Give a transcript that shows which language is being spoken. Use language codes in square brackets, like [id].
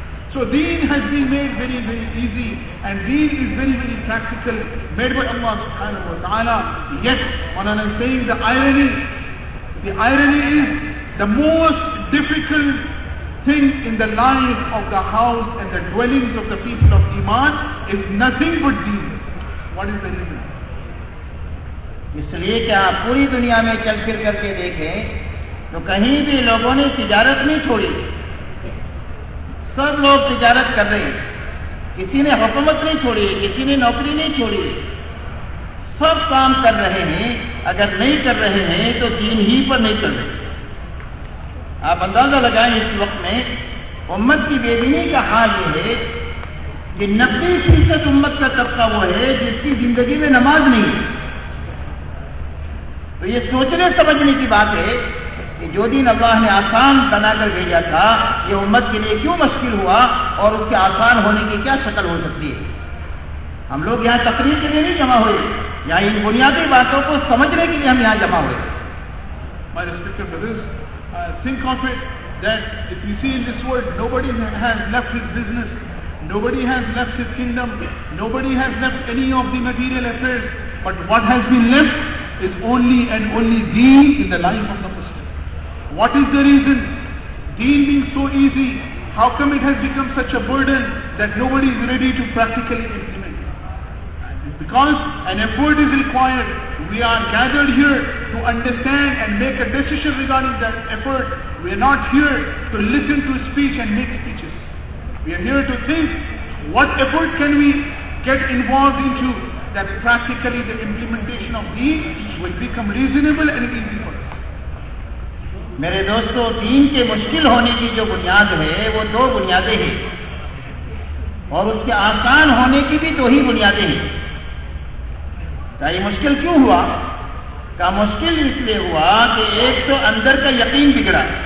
[en] So deen has been made very, very easy, and deen is very, very practical, made by Allah subhanahu wa ta'ala. Yet, when I am saying the irony is the most difficult thing in the life of the house and the dwellings of the people of Iman is nothing but deen. What is the reason? [ur] اس لیے کہ آپ پوری دنیا میں چل پھر کر کے دیکھیں تو کہیں بھی لوگوں نے تجارت نہیں چھوڑی, سب لوگ تجارت کر رہے ہیں, کسی نے حکومت نہیں چھوڑی, کسی نے نوکری نہیں چھوڑی, سب کام کر رہے ہیں. اگر نہیں کر رہے ہیں تو دین ہی پر نہیں چل رہے. آپ اندازہ لگائیں اس وقت میں امت کی بیدینی کا حال یہ ہے کہ 90% امت کا طبقہ وہ ہے جس کی زندگی میں نماز نہیں ہے. تو یہ سوچنے سمجھنے کی بات ہے کہ جو دین اللہ نے آسان بنا کر بھیجا تھا یہ امت کے لیے کیوں مشکل ہوا اور اس کے آسان ہونے کی کیا شکل ہو سکتی ہے. ہم لوگ یہاں تقریر کے لیے نہیں جمع ہوئے, یہاں ان بنیادی باتوں کو سمجھنے کے لیے ہم یہاں جمع ہوئے. [en] My respected brothers, think of it that if you see in this world, nobody has left his business, nobody has left his kingdom, nobody has left any of the material affairs, but what has been left is only and only deen in the life of the Muslim. What is the reason? Deen being so easy, how come it has become such a burden that nobody is ready to practically implement it? Because an effort is required. We are gathered here to understand and make a decision regarding that effort. We are not here to listen to speech and make speeches. We are here to think what effort can we get involved into that practically the implementation of deen will become reasonable and easy for us. [ur] میرے دوستو دین کے مشکل ہونے کی جو بنیاد ہے وہ دو بنیادیں ہیں اور اس کے آسان ہونے کی بھی دو ہی بنیادیں ہیں کیا یہ مشکل کیوں ہوا کہ مشکل اس لیے ہوا کہ ایک تو اندر کا یقین بگڑا